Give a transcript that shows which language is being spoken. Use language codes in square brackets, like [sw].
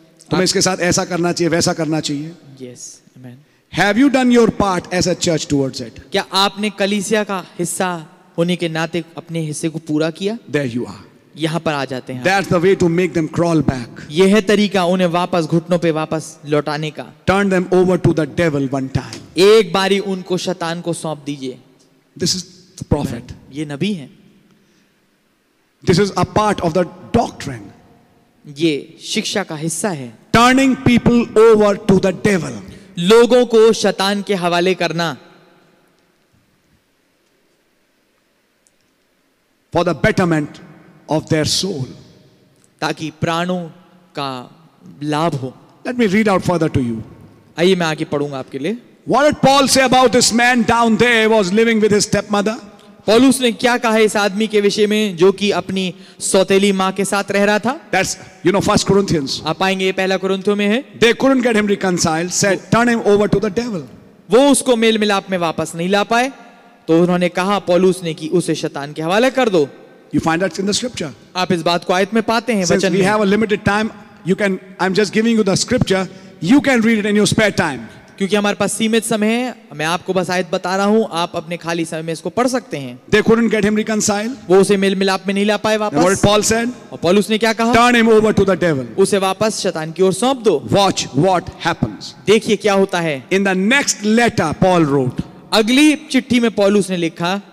[hi] तुम्हें इसके साथ ऐसा करना चाहिए, वैसा करना चाहिए. [en] Yes, amen. Have you done your part as a church towards it? [hi] क्या आपने कलीसिया का हिस्सा होने के नाते अपने हिस्से को पूरा किया? [en] There you are. [hi] यहाँ पर आ जाते हैं. [en] That's the way to make them crawl back. [hi] ये है तरीका उन्हें वापस घुटनों पे वापस लौटाने का. [en] Turn them over to the devil one time. [hi] एक बारी उनको शैतान को सौंप दीजिए. [en] This is the prophet. [hi] ये नबी है. [en] This is a part of the doctrine. [hi] ये शिक्षा का हिस्सा है. [en] Turning people over to the devil. [hi] लोगों को शैतान के हवाले करना. [en] For the betterment of their soul. [hi] ताकि प्राणों का लाभ हो. [en] Let me read out further to you. [hi] आइए मैं आगे पढ़ूंगा आपके लिए. [en] What did Paul say about this man down there was living with his step mother. [hi] पौलुस ने क्या कहा इस आदमी के विषय में जो कि अपनी सौतेली मां के साथ रह रहा था? [en] That's, you know, First Corinthians. [hi] आप आएंगे पहला कुरिन्थियों में है. [en] They couldn't get him reconciled, said, turn him over to the devil. [hi] वो उसको मेल मिलाप में वापस नहीं ला पाए तो उन्होंने कहा पौलुस ने कि उसे शैतान के हवाले कर दो. [en] You find that in the scripture. [hi] आप इस बात को आयत में पाते हैं. [en] Since we have a limited time, you can, I'm just giving you the scripture, you can read it in your spare time. [hi] क्योंकि हमारे पास सीमित समय है, मैं आपको बस आयत बता रहा हूँ, आप अपने खाली समय में इसको पढ़ सकते हैं। [en] They couldn't get him reconciled. [hi] वो उसे मेल मिलाप में नहीं ला पाए वापस। [en] What Paul said? [hi] और पॉल उसने क्या कहा? [en] Turn him over to the devil. [hi] उसे वापस शैतान की ओर सौंप दो। [en] Watch what happens. [hi] देखिए क्या होता है। [en] In the next letter, Paul wrote. [hi] अगली चिट्ठी में पॉलुस ने लिखा,